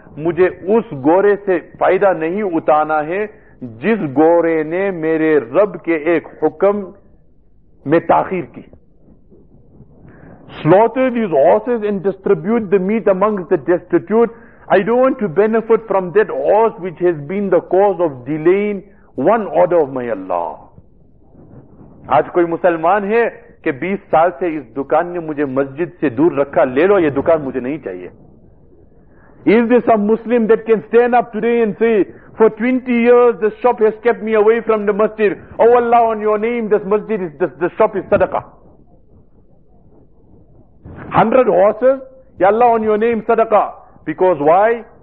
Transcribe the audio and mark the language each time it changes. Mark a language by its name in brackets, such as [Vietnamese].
[Urdu] مجھے اس گورے سے فائدہ نہیں اتانا ہے جس گورے نے میرے رب کے ایک حکم میں تاخیر کی. [English] Slaughter these horses and distribute the meat amongst the destitute. I don't want to benefit from that horse which has been the cause of delaying one order of my Allah. [Urdu] آج کوئی مسلمان ہے کہ 20 سال سے اس دکان نے مجھے مسجد سے دور رکھا, لے لو یہ دکان مجھے نہیں چاہیے. [English] Is there some Muslim that can stand up today and say, for 20 years this shop has kept me away from the masjid. Oh Allah, on your name, this masjid is, this shop is sadaqah. 100 horses, ya Allah, on your name, sadaqah. Because why?